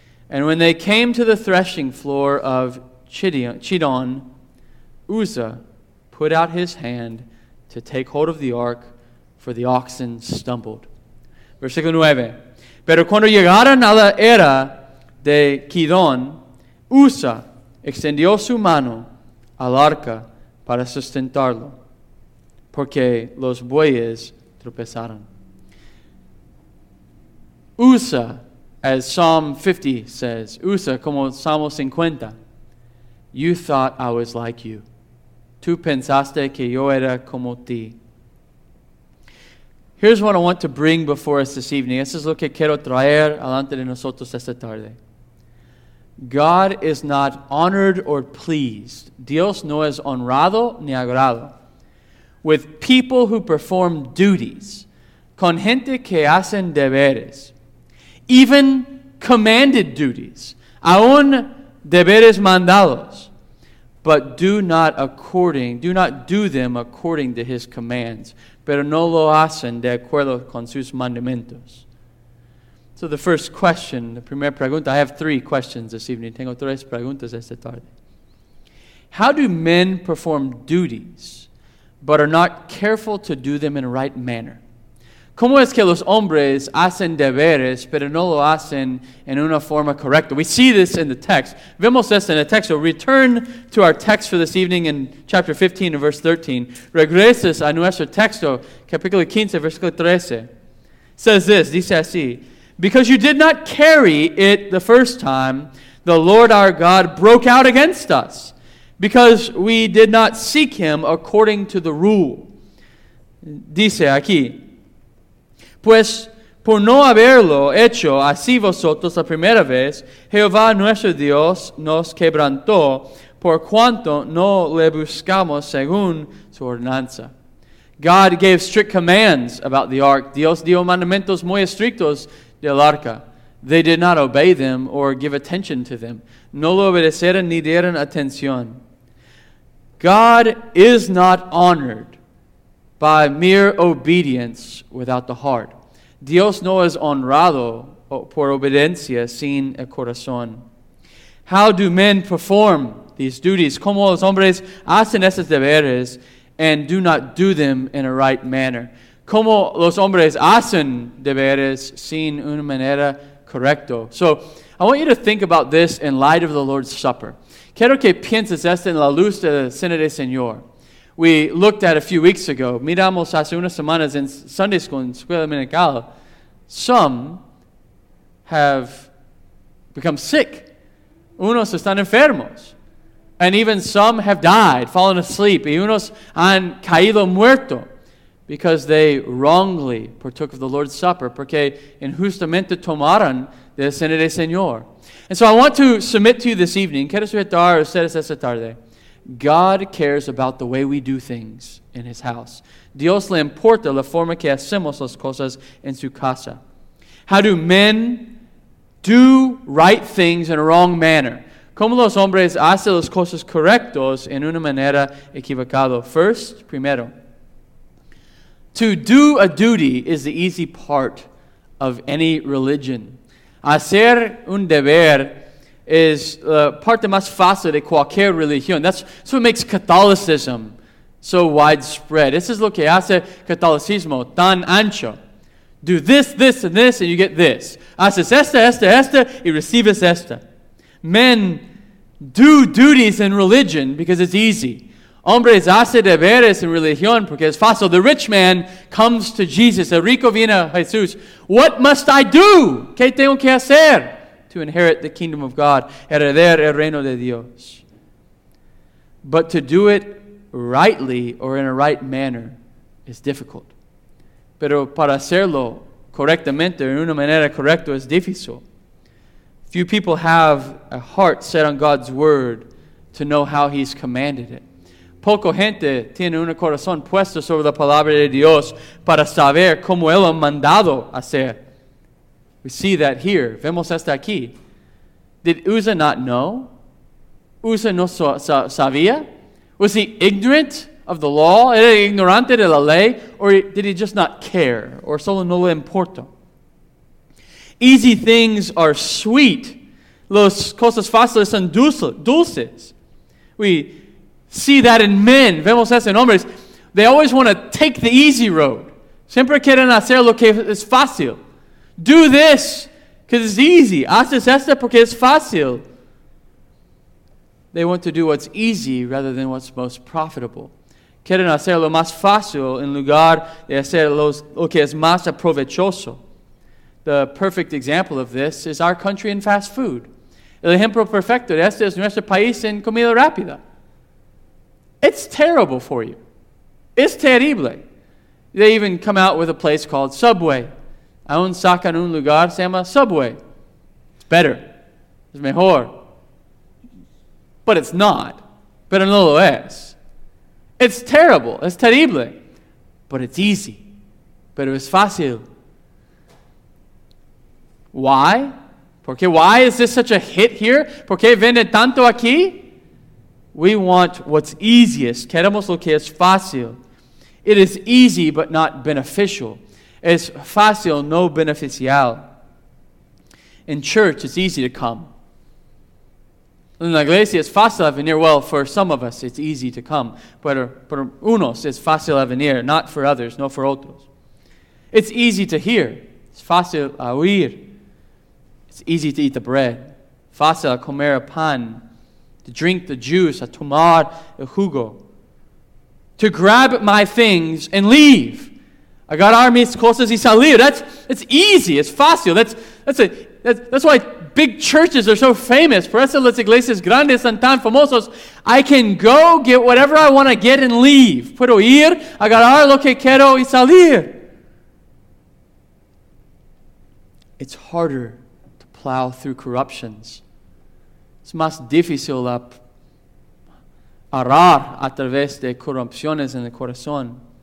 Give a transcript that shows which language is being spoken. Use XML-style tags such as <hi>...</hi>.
<en>And when they came to the threshing floor of Chidon, Uzzah put out his hand to take hold of the ark, for the oxen stumbled.</en> <es>Versículo 9. Pero cuando llegaron a la era de Chidon, Uzzah extendió su mano al arca para sustentarlo, porque los bueyes tropezaron.</es> <en>Uzzah, as Psalm 50 says,</en> <es>Uzzah, como Salmo 50,</es> <en>you thought I was like you.</en> <es>Tú pensaste que yo era como ti.</es> <en>Here's what I want to bring before us this evening.</en> <es>Eso es lo que quiero traer alante de nosotros esta tarde.</es> <en>God is not honored or pleased.</en> <es>Dios no es honrado ni agrado.</es> <en>With people who perform duties,</en> <es>con gente que hacen deberes,</es> <en>even commanded duties,</en> <es>aun deberes mandados,</es> <en>but do not do them according to his commands,</en> <es>pero no lo hacen de acuerdo con sus mandamientos.</es> <en>So the first question, the</en> <es>primera pregunta,</es> <en>I have three questions this evening.</en> <es>Tengo tres preguntas esta tarde.</es> <en>How do men perform duties, but are not careful to do them in a right manner?</en> <es>¿Cómo es que los hombres hacen deberes, pero no lo hacen en una forma correcta?</es> <en>We see this in the text.</en> <es>Vemos esto en el texto.</es> <en>Return to our text for this evening in chapter 15 and verse 13.</en> <es>Regresas a nuestro texto, capítulo 15, versículo 13.</es> <en>Says this,</en> <es>dice así,</es> <en>because you did not carry it the first time, the Lord our God broke out against us, because we did not seek him according to the rule.</en> <es>Dice aquí, pues, Por no haberlo hecho así vosotros la primera vez, Jehová nuestro Dios nos quebrantó, por cuanto no le buscamos según su ordenanza.</es> <en>God gave strict commands about the ark.</en> <es>Dios dio mandamientos muy estrictos del arca.</es> <en>They did not obey them or give attention to them.</en> <es>No lo obedecieron ni dieron atención.</es> <en>God is not honored by mere obedience without the heart.</en> <es>Dios no es honrado por obediencia sin el corazón.</es> <en>How do men perform these duties?</en> <es>¿Cómo los hombres hacen esos deberes</es> <en>and do not do them in a right manner?</en> <es>¿Cómo los hombres hacen deberes sin una manera correcta?</es> <en>So, I want you to think about this in light of the Lord's Supper.</en> <es>Quiero que pienses esto en la luz de la Cena del Señor.</es> <en>We looked at a few weeks ago.</en> <es>Miramos hace unas semanas en</es> <en>Sunday School,</en> <es>en Escuela Dominical.</es> <en>Some have become sick.</en> <es>Unos están enfermos.</es> <en>And even some have died, fallen asleep.</en> <es>Y unos han caído muerto</es> <en>because they wrongly partook of the Lord's Supper.</en> <es>Porque injustamente tomaron de la Cena del Señor.</es> <en>And so I want to submit to you this evening.</en> <es>Quiero sujetar a ustedes esta tarde.</es> <en>God cares about the way we do things in His house.</en> <es>Dios le importa la forma que hacemos las cosas en su casa.</es> <en>How do men do right things in a wrong manner?</en> <es>¿Cómo los hombres hacen las cosas correctas en una manera equivocada?</es> <en>First,</en> <es>primero,</es> <en>to do a duty is the easy part of any religion.</en> <es>Hacer un deber</es> <en>is the</en> <es>part más fácil de cualquier religión.</es> <en>That's what makes Catholicism so widespread. This is</en> <es>lo que hace Catolicismo tan ancho.</es> <en>Do this, this, and this, and you get this.</en> <es>Haces esta, esta, esta, y recibes esta.</es> <en>Men do duties in religion because it's easy.</en> <es>Hombres hace deberes en religión porque es fácil.</es> <en>The rich man comes to Jesus.</en> <es>El rico viene a Jesús.</es> <en>What must I do?</en> <es>¿Qué tengo que hacer?</es> <en>To inherit the kingdom of God,</en> <es>heredar el reino de Dios.</es> <en>But to do it rightly or in a right manner is difficult.</en> <es>Pero para hacerlo correctamente, en una manera correcta, es difícil.</es> <en>Few people have a heart set on God's word to know how He's commanded it.</en> <es>Poco gente tiene un corazón puesto sobre la palabra de Dios para saber cómo Él ha mandado hacer.</es> <en>We see that here.</en> <es>Vemos esto aquí.</es> <en>Did Uzzah not know?</en> <es>Uzzah no sabía?</es> <en>Was he ignorant of the law?</en> <es>Era ignorante de la ley?</es> <en>Or did he just not care? Or</en> <es>solo no le importa?</es> <en>Easy things are sweet.</en> <es>Los cosas fáciles son dulces.</es> <en>We see that in men.</en> <es>Vemos esto en hombres.</es> <en>They always want to take the easy road.</en> <es>Siempre quieren hacer lo que es fácil.</es> <en>Do this, because it's easy.</en> <es>Haces esto porque es fácil.</es> <en>They want to do what's easy rather than what's most profitable.</en> <es>Quieren hacer lo más fácil en lugar de hacer lo que es más aprovechoso.</es> <en>The perfect example of this is our country in fast food.</en> <es>El ejemplo perfecto de esto es nuestro país en comida rápida.</es> <en>It's terrible for you. It's terrible. They even come out with a place called Subway.</en> <es>Aún sacan un lugar, se llama Subway.</es> <en>It's better. It's</en> <es>mejor.</es> <en>But it's not.</en> <es>Pero no lo es.</es> <en>It's terrible. It's terrible. But it's easy.</en> <es>Pero es fácil. Why? ¿Por qué?</es> <en>Why is this such a hit here?</en> <es>¿Por qué vende tanto aquí?</es> <en>We want what's easiest.</en> <es>Queremos lo que es fácil.</es> <en>It is easy, but not beneficial.</en> <es>Es fácil, no beneficial.</es> <en>In church, it's easy to come.</en> <es>En la iglesia, es fácil a venir.</es> <en>Well, for some of us, it's easy to come.</en> <es>Pero por unos, es fácil a venir.</es> <en>Not for others, no for otros. It's easy to hear.</en> <es>Es fácil a oír.</es> <en>It's easy to eat the bread.</en> <es>Fácil a comer el pan.</es> <en>To drink the juice,</en> <es>a tomar el jugo.</es> <en>To grab my things and leave.</en> <es>Agarrar mis cosas y salir.</es> <en>That's easy. It's fácil. That's why big churches are so famous.</en> <es>Por eso las iglesias grandes son tan famosos.</es> <en>I can go get whatever I want to get and leave.</en> <es>Puedo ir, agarrar lo que quiero y salir.</es> <en>it's harder to plow through corruptions.</en> <es>Es más difícil arar a través de corrupciones en el corazón.</es>